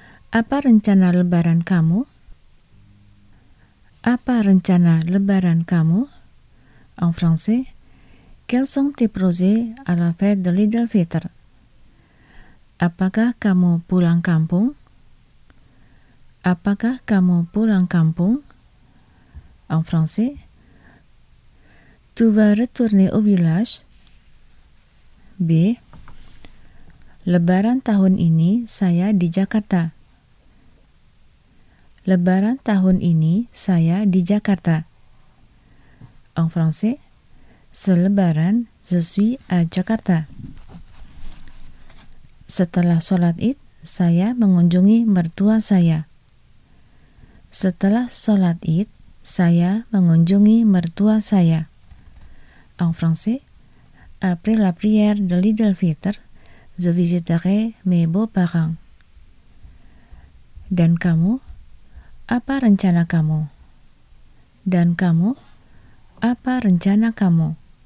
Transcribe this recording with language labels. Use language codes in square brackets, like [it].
[id] Apa rencana lebaran kamu? Apa rencana lebaran kamu? [fr] En français, quels sont tes projets à la fête de l'Eid al-Fitr? [id] Apakah kamu pulang kampung? Apakah kamu pulang kampung? [fr] En français, tu vas retourner au village. B. [id] Lebaran tahun ini saya di Jakarta. Lebaran tahun ini saya di Jakarta. [fr] En français, selebaran je suis à Jakarta. [id] Setelah sholat id, saya mengunjungi mertua saya. Setelah sholat id, saya mengunjungi mertua saya. [fr] En français, après la prière de l'Eid al-Fitr, je visiterai mes beaux-parents. [id] Dan kamu, apa rencana kamu? Dan kamu, apa rencana kamu?